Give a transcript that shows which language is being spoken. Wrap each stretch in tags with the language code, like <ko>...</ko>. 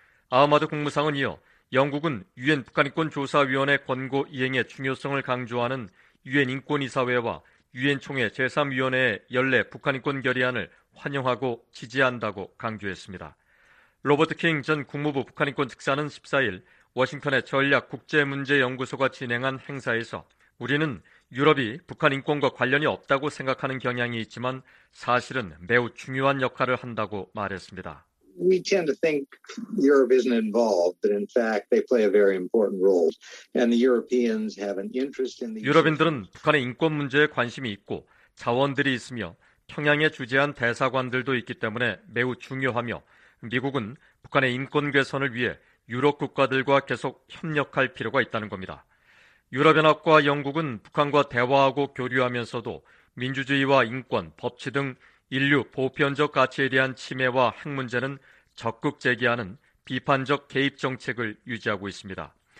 <ko>아흐마드 국무상은 이어 영국은 유엔 북한인권조사위원회 권고 이행의 중요성을 강조하는 유엔인권이사회와 유엔총회 제3위원회의 연례 북한인권 결의안을 환영하고 지지한다고 강조했습니다. 로버트 킹 전 국무부 북한인권특사는 14일 워싱턴의 전략국제문제연구소가 진행한 행사에서 우리는 유럽이 북한 인권과 관련이 없다고 생각하는 경향이 있지만 사실은 매우 중요한 역할을 한다고 말했습니다.</ko> <en>We tend to think Europe isn't involved, but in fact they play a very important role. And the Europeans have an interest in the</en> <ko>유럽인들은 북한의 인권 문제에 관심이 있고 자원들이 있으며 평양에 주재한 대사관들도 있기 때문에 매우 중요하며 미국은 북한의 인권 개선을 위해 유럽 국가들과 계속 협력할 필요가 있다는 겁니다. 유럽연합과 영국은 북한과 대화하고 교류하면서도 민주주의와 인권, 법치 등 인류 보편적 가치에 대한 침해와 핵 문제는 적극 제기하는 비판적 개입 정책을 유지하고 있습니다.</ko>